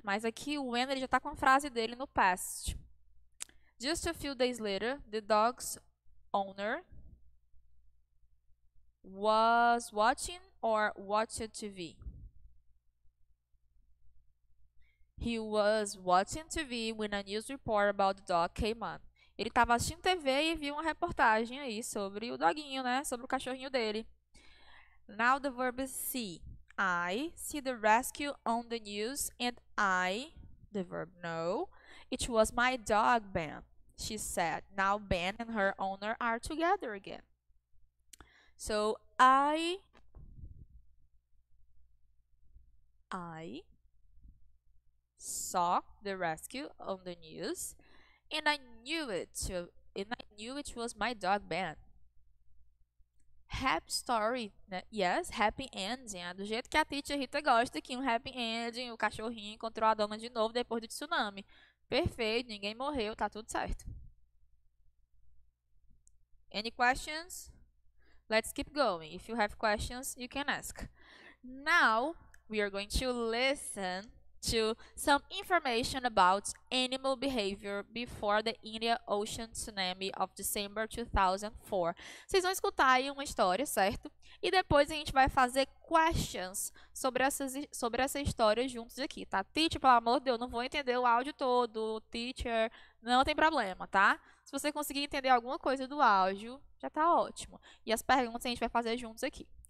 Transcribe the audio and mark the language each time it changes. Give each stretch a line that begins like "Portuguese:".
Portuguese: Mas aqui o when ele já tá com a frase dele no past.
English: Just a few days later, the dog's owner was watching or watched TV. He was watching TV when a news report about the dog came on.
Portuguese: Ele tava assistindo TV e viu uma reportagem aí sobre o doguinho, né? Sobre o cachorrinho dele.
English: Now the verb is see. I see the rescue on the news and I, the verb know, it was my dog, Ben. She said, now Ben and her owner are together again. So I saw the rescue on the news and I knew it too, and I knew it was my dog Ben. Happy story, né? Yes, happy ending.
Portuguese: Do jeito que a Titi Rita gosta, que um happy ending, o cachorrinho encontrou a dama de novo depois do tsunami. Perfeito, ninguém morreu, tá tudo certo.
English: Any questions? Let's keep going. If you have questions, you can ask. Now, we are going to listen to some information about animal behavior before the Indian Ocean tsunami of December 2004.
Portuguese: Vocês vão escutar aí uma história, certo? E depois a gente vai fazer questions sobre essa história juntos aqui, tá? Teacher, pelo amor de Deus, não vou entender o áudio todo. Teacher, não tem problema, tá? Se você conseguir entender alguma coisa do áudio, já tá ótimo. E as perguntas a gente vai fazer juntos aqui.